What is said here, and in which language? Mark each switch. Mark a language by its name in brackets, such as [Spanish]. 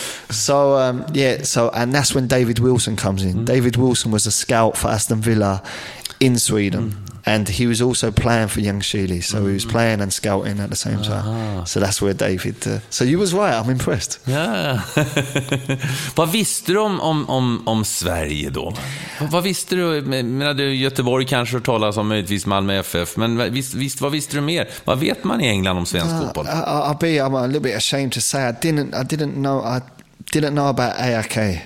[English] So and that's when David Wilson comes in. David Wilson was a scout for Aston Villa in Sweden. And he was also playing for Young Chile, so he was playing and scouting at the same time. So that's where David... So you was right, I'm impressed. Yeah. [Swedish] Vad visste du om Sverige då? Vad visste du? Menar du Göteborg kanske har talat om möjligtvis Malmö FF, men vad visste du mer? Vad vet man i England om svensk fotboll? [English] I'm a little bit ashamed to say I didn't know about AIK.